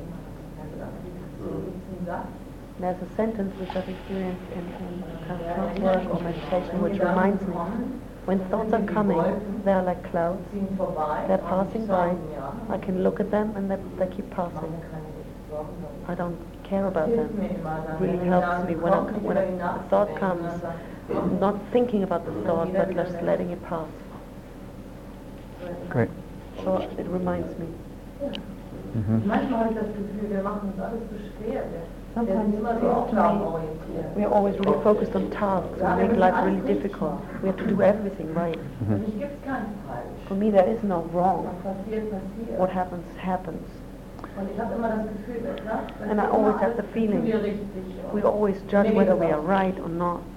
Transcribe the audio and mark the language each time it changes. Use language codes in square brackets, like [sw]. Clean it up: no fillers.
[de] eine große Arbeit, dann kann ich dazu sitzen, sagen. [en] There's a sentence which I've experienced in work or meditation which reminds me. When thoughts are coming, they are like clouds. They're passing by. I can look at them and they keep passing. I don't care about them. It really helps me when a thought comes, not thinking about the thought, but just letting it pass. Great. So it reminds me. [de] Manchmal habe ich das Gefühl, wir machen uns alles zu schwer. [en] Sometimes yeah, we're all job-oriented. We are always really focused on tasks and make life really difficult. We have to do everything right. Mm-hmm. For me, there is no wrong. [de] Passiert. [en] What happens, happens. [de] Und ich immer das Gefühl, dass, [en] and I always have the feeling we always judge whether we are right or not.